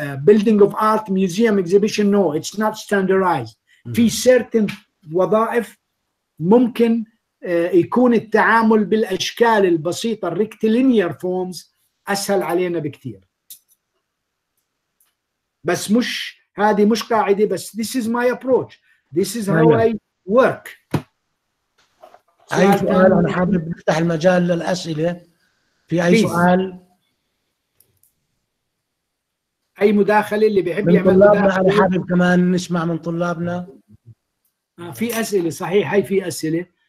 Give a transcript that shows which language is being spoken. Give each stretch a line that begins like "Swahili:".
English: Building of art, museum, exhibition, no, it's not standardized.
Arabic: في certain وظائف ممكن يكون التعامل بالأشكال البسيطة
English: rectilinear forms
Arabic: أسهل علينا بكثير. بس مش هذه مش قاعدة، بس
English: this is my approach. This is how I work.
Arabic: أي سؤال؟ أنا حابب نفتح المجال للأسئلة. في أي سؤال؟ أي مداخلة اللي بيحب يعمل طلابنا؟ أنا حابب كمان نسمع من طلابنا. في أسئلة صحيح، هاي في أسئلة.